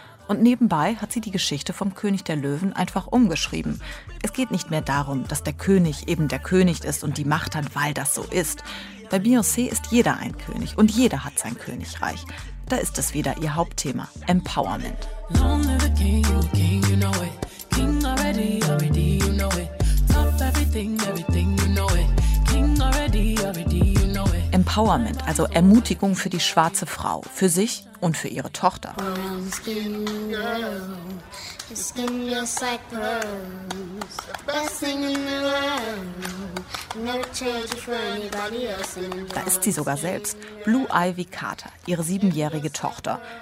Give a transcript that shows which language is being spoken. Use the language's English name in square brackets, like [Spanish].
[German] Und nebenbei hat sie die Geschichte vom König der Löwen einfach umgeschrieben. Es geht nicht mehr darum, dass der König eben der König ist und die Macht hat, weil das so ist. Bei Beyoncé ist jeder ein König und jeder hat sein Königreich. Da ist es wieder ihr Hauptthema, Empowerment. [English] Long live the king, king, you know it. King already, already, you know it. Top everything, everything, you know it. King already, already, you know it. [German] Empowerment, also Ermutigung für die schwarze Frau, für sich und für ihre Tochter. Da ist sie sogar selbst, Blue Ivy Carter, ihre siebenjährige Tochter.